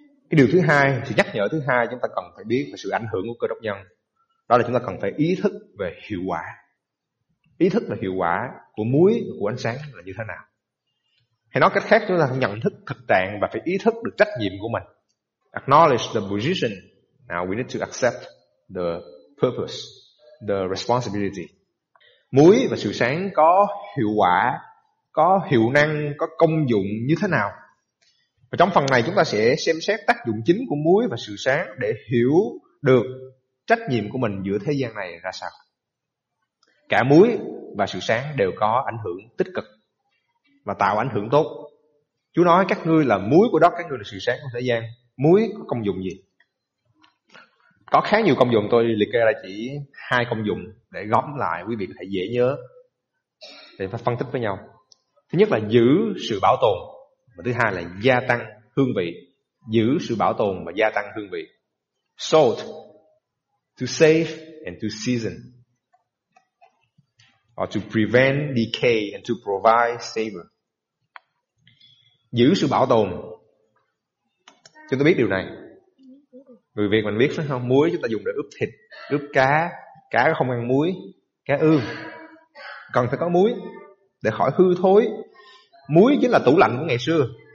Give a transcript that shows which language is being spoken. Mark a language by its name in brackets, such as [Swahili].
[Vietnamese] Cái điều thứ hai, sự nhắc nhở thứ hai chúng ta cần phải biết về sự ảnh hưởng của Cơ Đốc nhân, đó là chúng ta cần phải ý thức về hiệu quả. Ý thức về hiệu quả của muối và của ánh sáng là như thế nào? Hay nói cách khác, chúng ta phải nhận thức thực trạng và phải ý thức được trách nhiệm của mình. [English] Acknowledge the position. Now we need to accept the purpose, the responsibility. [Vietnamese] Muối và sự sáng có hiệu quả, có hiệu năng, có công dụng như thế nào? Và trong phần này chúng ta sẽ xem xét tác dụng chính của muối và sự sáng để hiểu được trách nhiệm của mình giữa thế gian này ra sao. Cả muối và sự sáng đều có ảnh hưởng tích cực và tạo ảnh hưởng tốt. Chúa nói các ngươi là muối của đất, các ngươi là sự sáng của thế gian. Muối có công dụng gì? Có khá nhiều công dụng, tôi liệt kê ra chỉ hai công dụng để gõm lại quý vị có thể dễ nhớ để phân tích với nhau. Thứ nhất là giữ sự bảo tồn, và thứ hai là gia tăng hương vị. Giữ sự bảo tồn và gia tăng hương vị. [English] Salt, to save and to season, or to prevent decay and to provide savor. [Vietnamese] Giữ sự bảo tồn, chúng ta biết điều này. Người Việt mình biết phải không? Muối chúng ta dùng để ướp thịt, ướp cá. Cá không ăn muối, cá ươm. Cần phải có muối để khỏi hư thối. Muối chính là tủ lạnh của ngày xưa.